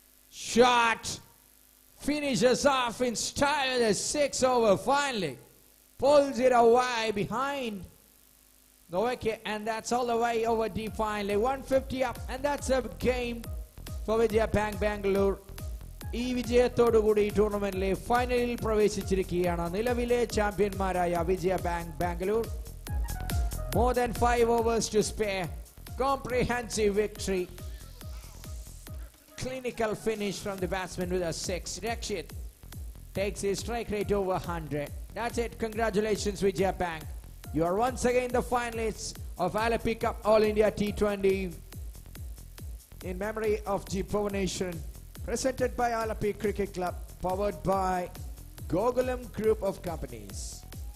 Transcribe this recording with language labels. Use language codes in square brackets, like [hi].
[en] Shot. Finishes off in style, the six over finally. Pulls it away behind the wicket, and that's all the way over deep finally. 150 up, and that's a game. [ml] Four Vijaya bank Bangalore ഈ വിജയത്തോടുകൂടി ടൂർണമെന്റിലെ ഫൈനലിൽ പ്രവേശിച്ചിരിക്കുകയാണ്. നിലവിലെ ചാമ്പ്യന്മാരായ [en] Vijaya Bank Bangalore. More than 5 overs to spare. Comprehensive victory. Clinical finish from the batsman with a six. Rakshith takes his strike rate over 100. That's it. Congratulations Vijaya Bank. You are once again the finalist of Alleppey Cup All India T20 in memory of G Bhuvaneswaran. Presented by Allepey Cricket Club, powered by Gogulam Group of Companies.